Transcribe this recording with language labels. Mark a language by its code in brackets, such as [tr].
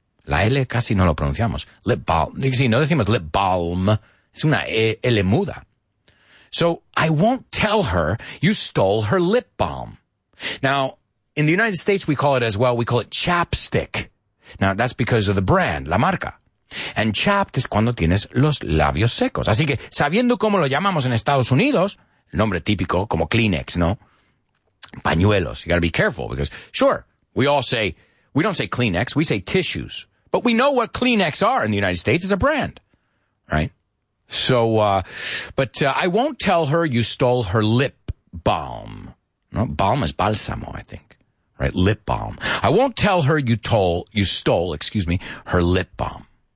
[es] La L casi no lo pronunciamos. Lip balm. Sí, no decimos lip balm. Es una L muda. [en] So, I won't tell her you stole her lip balm. Now, in the United States, we call it as well, we call it chapstick. Now, that's because of the brand, [es] la marca. And chapped es cuando tienes los labios secos. Así que, sabiendo cómo lo llamamos en Estados Unidos, nombre típico, como Kleenex, ¿no? Pañuelos. [en] You gotta be careful because, sure, we all say, we don't say Kleenex, we say tissues. But we know what Kleenex are in the United States. It's a brand, right? So, I won't tell her you stole her lip balm. No, balm is bálsamo, I think, right? Lip balm. I won't tell her you stole her lip balm.